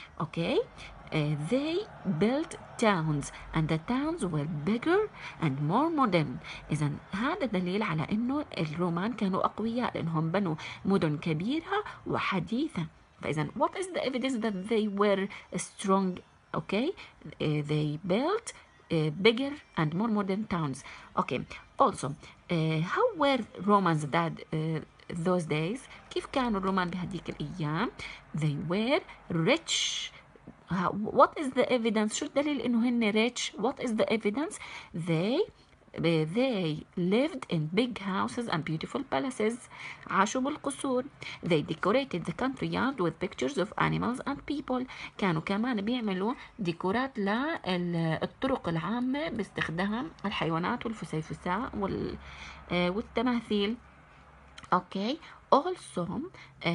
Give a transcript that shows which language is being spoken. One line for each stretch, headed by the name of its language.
English: Okay, they built towns, and the towns were bigger and more modern.
Arabic: إذن هذا دليل على إنه الرومان كانوا أقوياء لأنهم بنوا مدن كبيرة وحديثة. فإذن
English: what is the evidence that they were strong? Okay, they built bigger and more modern towns. Okay, also, how were Romans that those days?
Arabic: كيف كانوا الرومان بهذيك الأيام?
English: They were rich. What is the evidence?
Arabic: شو الدليل إنه هن
English: rich? What is the evidence? They lived in big houses and beautiful palaces.
Arabic: عاشوا بالقصور.
English: They decorated the country yard with pictures of animals and people.
Arabic: كانوا كمان بيعملوا ديكورات للطرق العامة باستخدام الحيوانات والفسيفساء والتماثيل.
English: Okay, also